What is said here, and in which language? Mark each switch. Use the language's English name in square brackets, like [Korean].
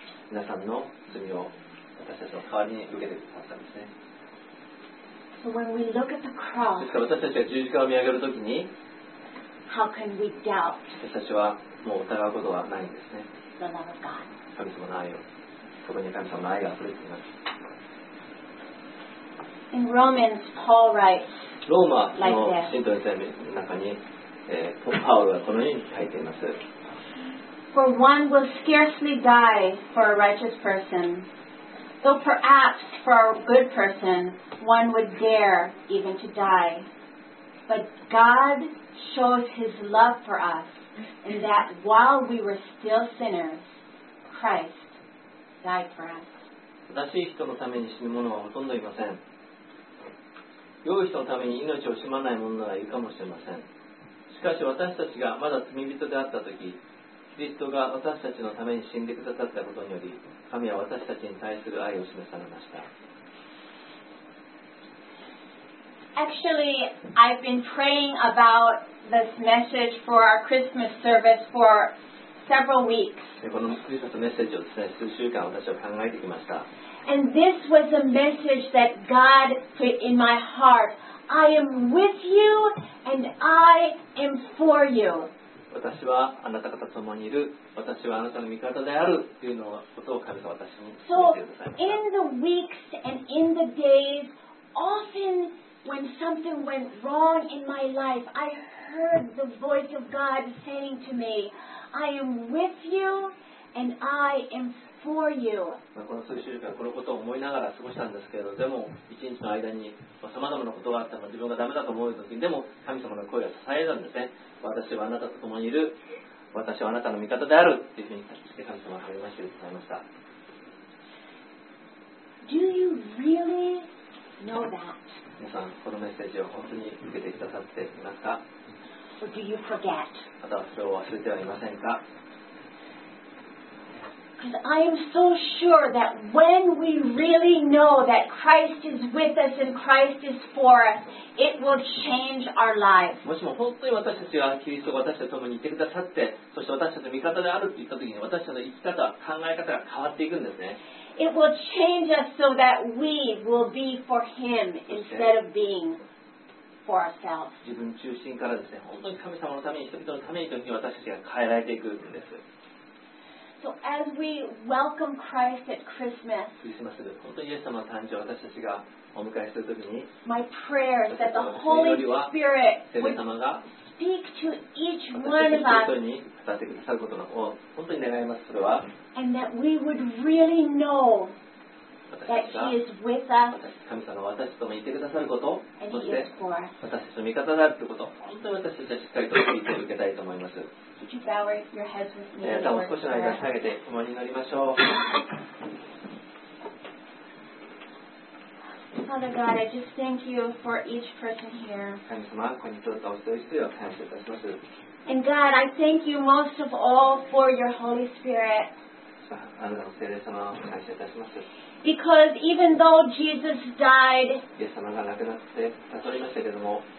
[Japanese] 皆さんの罪を私たちの代わりに受けてくださったんですね。 [English] So when we look at the cross, [Japanese] ですから私たちが十字架を見上げるときに、 [English] How can we doubt? [Japanese] 私たちはもう疑うことはないんですね。 [English] The love of God. [Japanese] 神様の愛を、そこに神様の愛が溢れています。 [English] In Romans, Paul writes, [Japanese] ローマの信徒の手紙の中に、パウロはこのように書いています。 [English] For one will scarcely die for a righteous person. Though perhaps for a good person, one would dare even to die. But God shows his love for us in that while we were still sinners, Christ died for us. [Japanese] 正しい人のために死ぬ者はほとんどいません。良い人のために命を惜しまない者ならいるかもしれません。しかし私たちがまだ罪人であったとき、キリストが私たちのために死んでくださったことにより、神は私たちに対する愛を示されました。 [English] Actually, I've been praying about this message for our Christmas service for several weeks. [Japanese] このクリスマスメッセージをですね、数週間私は考えてきました。 [English] And this was a message that God put in my heart. I am with you and I am for you. [Japanese] 私はあなた方と共にいる、私はあなたの味方であるというのことを神様は私に言ってくださいました。 [English] So, in the weeks and in the days, often when something went wrong in my life, I heard the voice of God saying to me, I am with you and I am for you. [Japanese] この数週間このことを思いながら過ごしたんですけれど、でも一日の間に様々なことがあっても、自分がダメだと思うときに、でも神様の声を支えたんですね。私はあなたと共にいる、私はあなたの味方であるというふうに神様は励ましてくださいました。 [English] Do you really know that? [Japanese] 皆さん、このメッセージを本当に受けてくださっていますか？ [English] Or do you forget? [Japanese] またはそれを忘れてはいませんか？ [English] Because I am so sure that when we really know that Christ is with us and Christ is for usIt will change our lives. [Japanese] もしも本当に私たちがキリストが私たちと共にいてくださって、そして私たちの味方であると言ったときに、私たちの生き方、考え方が変わっていくんですね。 [English] It will change us so that we will be for Him instead of being for ourselves. [Japanese] 自分中心からですね、本当に神様のために、人々のためにというふうに私たちが変えられていくんです。 [English] So as we welcome Christ at Christmas, [Japanese] クリスマスです。本当にイエス様の誕生を私たちがお迎えするときに、 [English] my prayer is that the Holy Spirit would speak to each one of us。 [Japanese] 語ってくださることを本当に願います。それは、 [English] and that we would really know that He is with us。 [Japanese] 神様は私ともいてくださること、そして私たちの味方だってこと、本当に私たちはしっかりと聞いて受けたいと思います。皆さんも少しの間下げて共に祈りましょう。 [English] Father God, I just thank you for each person here. [Japanese] 神様、ここに通ったお一人一人を感謝いたします。 [English] And God, I thank you most of all for your Holy Spirit. [Japanese] あなたの聖霊様を感謝いたします。 [English] Because even though Jesus died, [Japanese] イエス様が亡くなって悟りましたけれども、